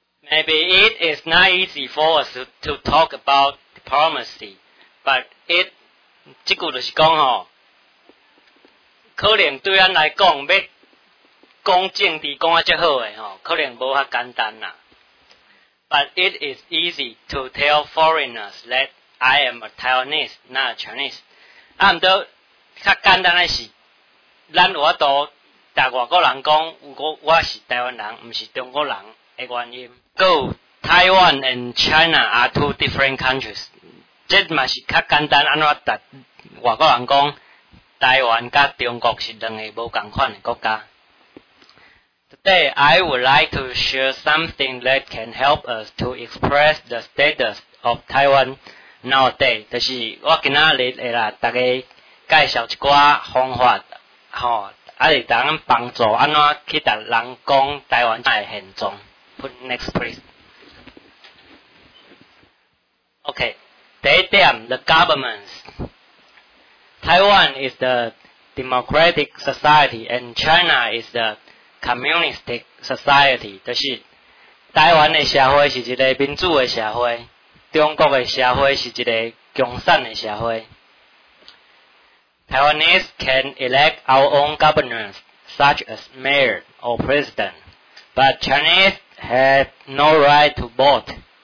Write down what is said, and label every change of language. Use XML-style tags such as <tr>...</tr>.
<en>Maybe it is not easy for us to talk about diplomacy, but it</en> <nan>这句就是讲吼。可能对咱来讲，要讲政治讲啊，足好诶吼，可能无遐简单啦。</nan> <en>But it is easy to tell foreigners that I am a Taiwanese, not a Chinese.</en> <nan>啊，毋过较简单诶是，咱有法度甲外国人讲，我是台湾人，毋是中国人诶原因。</nan> <en>Go, Taiwan and China are two different countries.</en> <nan>即嘛是较简单，安怎甲外国人讲？台湾甲中国是两个无共款的国家。</nan> <en>Today, I would like to share something that can help us to express the status of Taiwan nowadays.</en> <nan>就是我今仔日会啦，大家介绍一寡方法，吼，啊，会当帮助安怎去达人讲台湾的现状。</nan> <en>Put next, please. Okay,</en> <nan>第一点</nan> <en>，the governments. Taiwan is the democratic society and China is the communistic society.</en> <nan>就是台湾的社会是一个民主的社会，中国的社会是一个共产的社会。</nan> <en>Taiwanese can elect our own governors, such as mayor or president, but Chinese have no right to vote.</en>